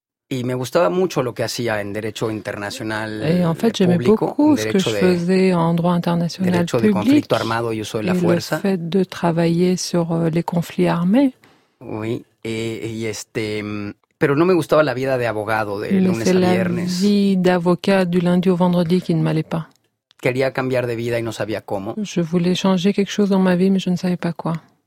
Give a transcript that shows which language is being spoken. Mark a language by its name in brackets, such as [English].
[Spanish] Y me gustaba mucho lo que hacía en derecho internacional. [French] Et en fait, j'aimais beaucoup ce que je faisais en droit international [Spanish] derecho [French] public. [Spanish] Derecho de conflicto armado y uso de la fuerza. [French] Le fait de travailler sur les conflits armés. [Spanish] Oui, pero no me gustaba la vida de abogado de lunes [French] c'est [Spanish] a viernes. [French] La vie d'avocat du lundi au vendredi qui ne m'allait pas. [Spanish] Quería cambiar de vida y no sabía cómo. [French] Je voulais changer quelque chose dans ma vie mais je ne savais pas quoi.